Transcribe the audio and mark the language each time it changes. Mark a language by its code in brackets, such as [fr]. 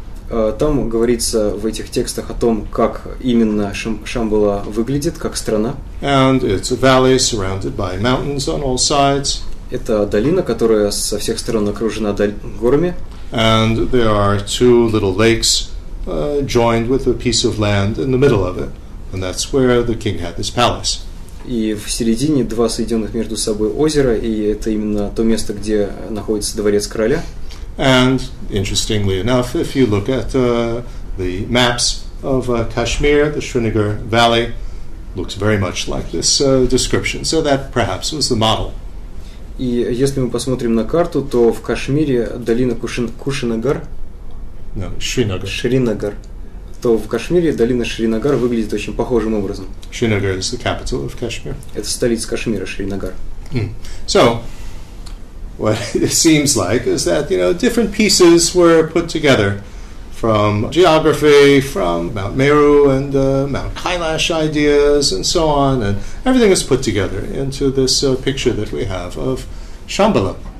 [ru] Там говорится в этих текстах о том, как именно Шамбала выглядит, как страна. [en] And it's a valley surrounded by mountains on all sides. [ru] Это долина, которая со всех сторон окружена горами. [en] And there are two little lakes joined with a piece of land in the middle of it. And that's where the king had his palace. [ru] И в середине два соединенных между собой озера, и это именно то место, где находится дворец короля. [en] And interestingly enough, if you look at the maps of Kashmir, the Srinagar Valley looks very much like this description. So that perhaps was the model. [ru] И если мы посмотрим на карту, то в Кашмире долина Кушинагар. [en] No, Шринагар. [ru] Шринагар. То в Кашмире долина Шринагар выглядит очень похожим образом. [en] Шринагар is the capital of Kashmir. [ru] Это столица Кашмира, Шринагар. Mm. [en] So, what it seems like is that, you know, different pieces were put together from geography, from Mount Meru and Mount Kailash ideas, and so on, and everything is put together into this picture that we have of Shambhala.